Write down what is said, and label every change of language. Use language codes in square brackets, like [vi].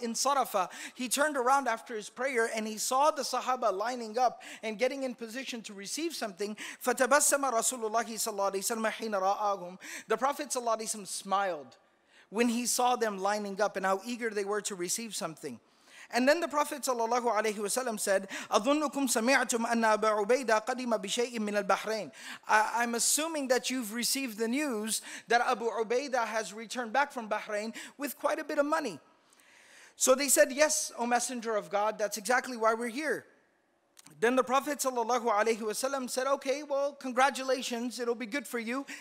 [en] In Sarafa, he turned around after his prayer and he saw the Sahaba lining up and getting in position to receive something. [ar] فَتَبَسَّمَ رَسُولُ اللَّهِ صَلَّى اللَّهِ صَلَّى حِينَ رَآهُمْ. [en] The Prophet ﷺ smiled when he saw them lining up and how eager they were to receive something. And then the Prophet sallallahu alaihi wasallam said, [ar] أَظُنُّكُمْ سَمِعْتُمْ أَنَّ أَبَا عُبَيْدَةَ قَدِمَ بِشَيْءٍ مِّنَ الْبَحْرَيْنِ. [en] I'm assuming that you've received the news that Abu Ubaidah has returned back from Bahrain with quite a bit of money. So they said, yes, O Messenger of God, that's exactly why we're here. Then the Prophet sallallahu alaihi wasallam said, okay, well, congratulations, it'll be good for you.